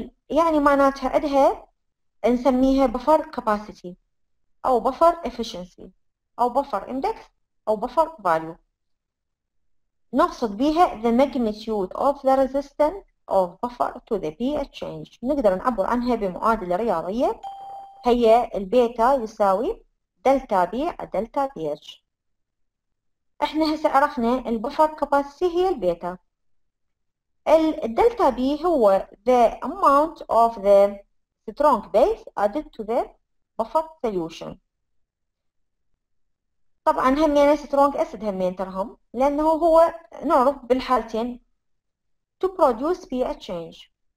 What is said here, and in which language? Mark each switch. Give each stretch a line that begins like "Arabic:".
Arabic: يعني معناتها عندها نسميها buffer capacity أو buffer efficiency أو buffer index أو buffer value. نقصد بها
English: the magnitude of the resistance of buffer to the pH change.
Arabic: نقدر نعبر عنها بمعادلة رياضية، هي البيتا يساوي دلتا بي على دلتا pH. احنا هسه عرفنا البفر
English: capacity
Arabic: هي البيتا، الدلتا بي هو
English: the amount of the strong base added to the buffer solution.
Arabic: طبعا همين strong acid همين ترهم، لانه هو نعرف بالحالتين
English: to produce pH change.